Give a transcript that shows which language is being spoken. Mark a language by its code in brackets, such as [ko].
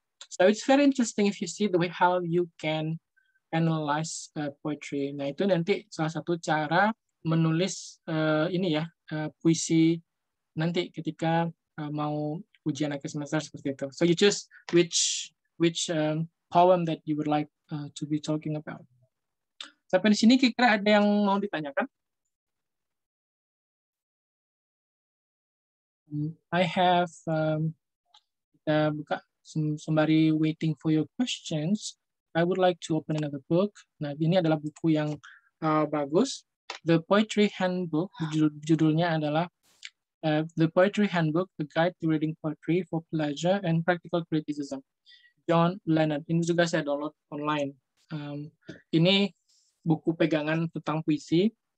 [en] So it's very interesting if you see the way how you can analyze poetry. [id] Nah itu nanti salah satu cara menulis puisi nanti ketika mau ujian akhir semester seperti itu. [en] So you choose which poem that you would like to be talking about. [id] Sampai di sini kira-kira ada yang mau ditanyakan? [en] I have [id] kita buka sembari [en] waiting for your questions. I would like to open another book. [id] Nah, ini adalah buku yang bagus. The Poetry Handbook, judulnya adalah The Poetry Handbook, The Guide to Reading Poetry for Pleasure and Practical Criticism. John Leonard. Ini juga saya download online. Ini buku pegangan tentang puisi.